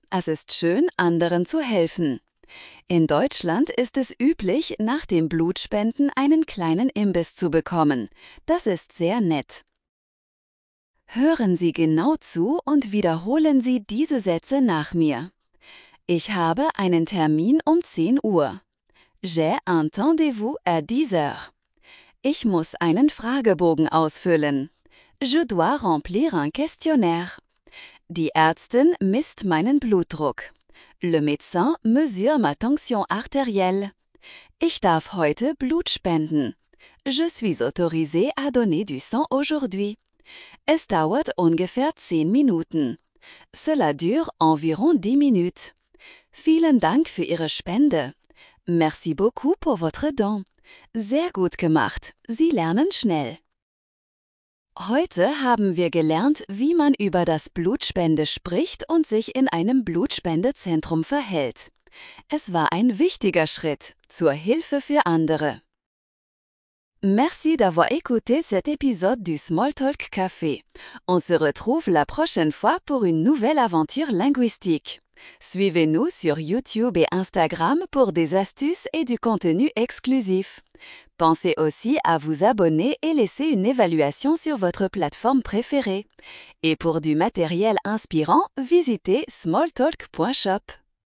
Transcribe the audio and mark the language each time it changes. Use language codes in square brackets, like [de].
[de] Es ist schön, anderen zu helfen. In Deutschland ist es üblich, nach dem Blutspenden einen kleinen Imbiss zu bekommen. Das ist sehr nett. Hören Sie genau zu und wiederholen Sie diese Sätze nach mir. Ich habe einen Termin um 10 Uhr. [fr] J'ai un rendez-vous à 10 heures. [de] Ich muss einen Fragebogen ausfüllen. [fr] Je dois remplir un questionnaire. [de] Die Ärztin misst meinen Blutdruck. [fr] Le médecin mesure ma tension artérielle. [de] Ich darf heute Blut spenden. [fr] Je suis autorisé à donner du sang aujourd'hui. [de] Es dauert ungefähr 10 Minuten. [fr] Cela dure environ 10 minutes. [de] Vielen Dank für Ihre Spende. [fr] Merci beaucoup pour votre don. [de] Sehr gut gemacht. Sie lernen schnell. Heute haben wir gelernt, wie man über das Blutspende spricht und sich in einem Blutspendezentrum verhält. Es war ein wichtiger Schritt zur Hilfe für andere. [fr] Merci d'avoir écouté cet épisode du Small Talk Café. On se retrouve la prochaine fois pour une nouvelle aventure linguistique. Suivez-nous sur YouTube et Instagram pour des astuces et du contenu exclusif. Pensez aussi à vous abonner et laisser une évaluation sur votre plateforme préférée. Et pour du matériel inspirant, visitez smalltalk.shop.